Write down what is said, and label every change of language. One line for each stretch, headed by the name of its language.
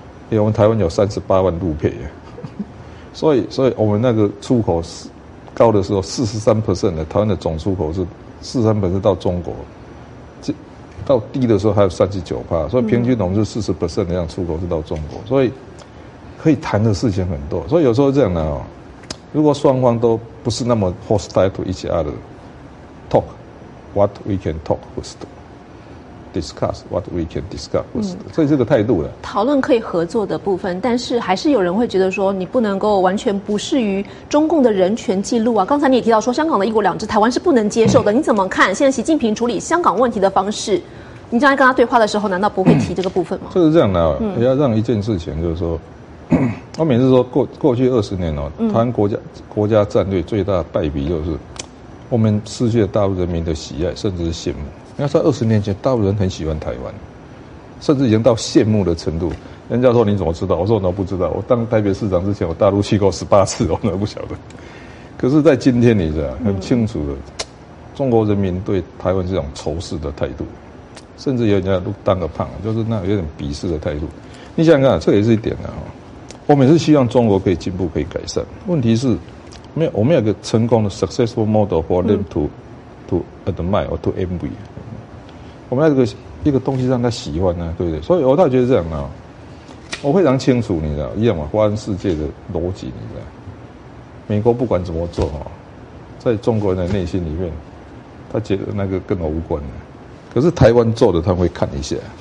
Chinese: 因为我们台湾有38万路配啊，所以我们那个出口是。高的时候43%的台湾的总出口是43%到中国，到低的时候还有39%，所以平均我们是40%的样出口是到中国，所以可以谈的事情很多。所以有时候这样的哦，如果双方都不是那么
English: hostile to each other， talk what we can talk first， discuss what we can discuss first，
Chinese: 所以这个态度了。讨论可以合作的部分，但是还是有人会觉得说你不能够完全不适于中共的人权记录啊。刚才你也提到说香港的一国两制台湾是不能接受的，你怎么看现在习近平处理香港问题的方式？你将来跟他对话的时候难道不会提这个部分吗？就是这样的，也要让一件事情，就是说我每次说过去20年哦，台湾国家战略最大败笔就是我们失去了大陆人民的喜爱甚至是羡慕。那在20年前，大陆人很喜欢台湾，甚至已经到羡慕的程度。人家说你怎么知道？我说我都不知道。我当台北市长之前，我大陆去过18次，我都不晓得。可是，在今天，你知道很清楚的，中国人民对台湾这种仇视的态度，甚至有人家都当个胖，就是那有点鄙视的态度。你想想看，这也是一点啊。我们是希望中国可以进步，可以改善。问题是，我们有一个
English: 成功的 successful model for them to admire or to envy。
Chinese: 我们在一个东西让他喜欢呢、对不对？所以我倒觉得这样啊，我非常清楚，你知道，一样嘛，华人世界的逻辑，你知道，美国不管怎么做哈，在中国人的内心里面，他觉得那个跟我无关的。可是台湾做的，他会看一下。